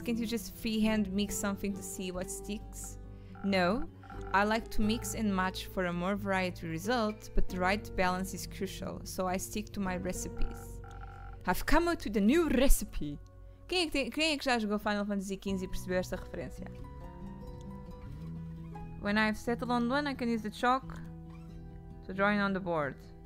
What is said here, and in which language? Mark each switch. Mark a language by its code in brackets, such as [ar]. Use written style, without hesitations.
[en] Can't you just freehand mix something to see what sticks? No. I like to mix and match for a more variety result, but the right balance is crucial, so I stick to my recipes. I've come up with a new recipe. [pt] Quem é que já jogou Final Fantasy XV e percebeu esta referência? [en] When I've settled on one, I can use the chalk to draw on the board.